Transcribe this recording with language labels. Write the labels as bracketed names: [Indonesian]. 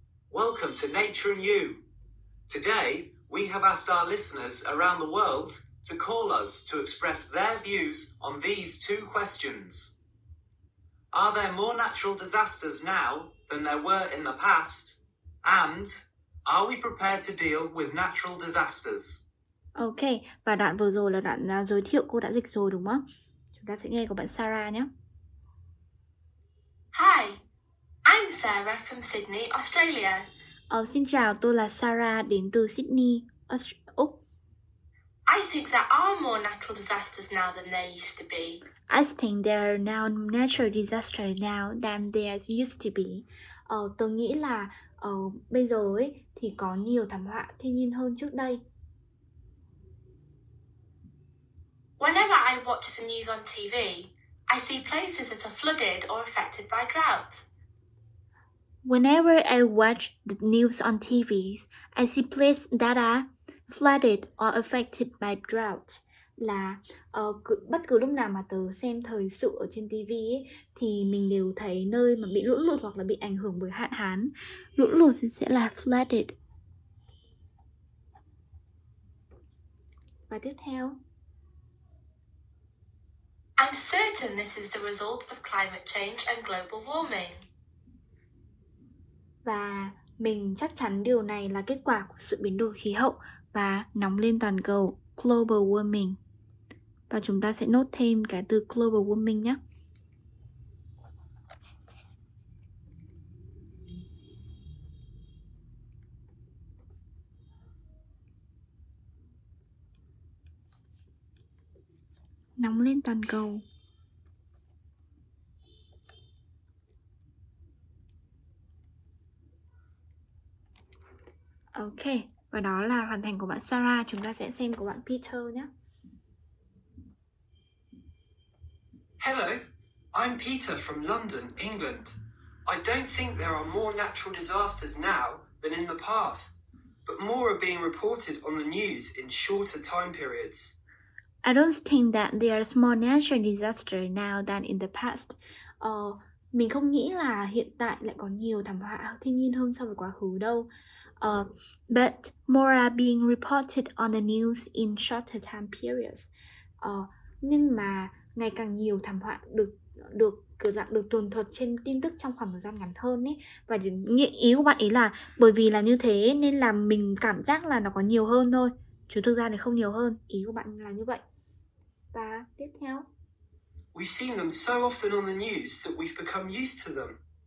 [English] Welcome to Nature and You. Today, we have asked our listeners around the world to call us to express their views on these two questions. Are there more natural disasters now than there were in the past? And are we prepared to deal with natural disasters? [Vietnamese] Ok, và đoạn vừa rồi là đoạn giới thiệu cô đã dịch rồi đúng không? Chúng ta sẽ nghe của bạn Sarah nhé. [English] Hi, I'm Sarah from Sydney, Australia. [Vietnamese] Xin chào, tôi là Sarah đến từ Sydney, Úc. [English] I think there are more natural disasters now than there used to be. I think there are now natural disasters now than there used to be. [Vietnamese] Tôi nghĩ là bây giờ ấy thì có nhiều thảm họa thiên nhiên hơn trước đây. [English] Whenever I watch the news on TV, I see places that are flooded or affected by drought. Whenever I watch the news on TV, I see places that are flooded or affected by drought. [Vietnamese] Là bất cứ lúc nào mà tớ xem thời sự ở trên TV ấy, thì mình đều thấy nơi mà bị lũ lụt hoặc là bị ảnh hưởng bởi hạn hán. Lũ lụt sẽ là flooded. Và tiếp theo. [English] I'm certain this is the result of climate change and global warming. [Vietnamese] Và mình chắc chắn điều này là kết quả của sự biến đổi khí hậu và nóng lên toàn cầu, [English] global warming. [Vietnamese] Và chúng ta sẽ nốt thêm cái từ [English] global warming [Vietnamese] nhé. Nóng lên toàn cầu. Ok, và đó là hoàn thành của bạn Sarah. Chúng ta sẽ xem của bạn Peter nhé. [English] Hello, I'm Peter from London, England. I don't think there are more natural disasters now than in the past, but more are being reported on the news in shorter time periods. I don't think that there are more natural disasters now than in the past. [Vietnamese] Mình không nghĩ là hiện tại lại có nhiều thảm họa thiên nhiên hơn so với quá khứ đâu. [English] But more are being reported on the news in shorter time periods. [Vietnamese] Nhưng mà ngày càng nhiều thảm họa được tường thuật trên tin tức trong khoảng thời gian ngắn hơn ấy. Và nghĩa ý của bạn ấy là bởi vì là như thế nên là mình cảm giác là nó có nhiều hơn thôi, chứ thực ra thì không nhiều hơn. Ý của bạn là như vậy. Và tiếp theo. [English] We've seen them so often on the news that we've become used to them.